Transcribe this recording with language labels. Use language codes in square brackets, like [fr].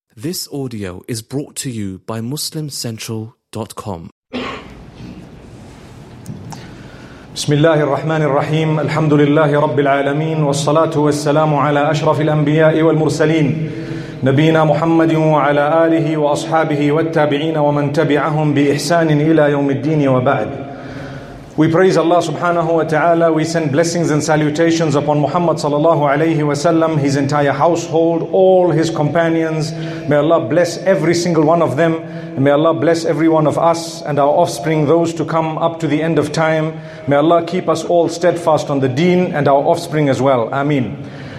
[en] This audio is brought to you by MuslimCentral.com. [ar] بسم الله الرحمن الرحيم الحمد لله رب العالمين والصلاة والسلام على أشرف الأنبياء والمرسلين نبينا محمد وعلى آله وأصحابه والتابعين ومن تبعهم بإحسان إلى يوم الدين وبعد. [en] We praise Allah subhanahu wa ta'ala. We send blessings and salutations upon Muhammad sallallahu alayhi wa sallam, his entire household, all his companions. May Allah bless every single one of them. And may Allah bless every one of us and our offspring, those to come up to the end of time. May Allah keep us all steadfast on the deen and our offspring as well. Ameen.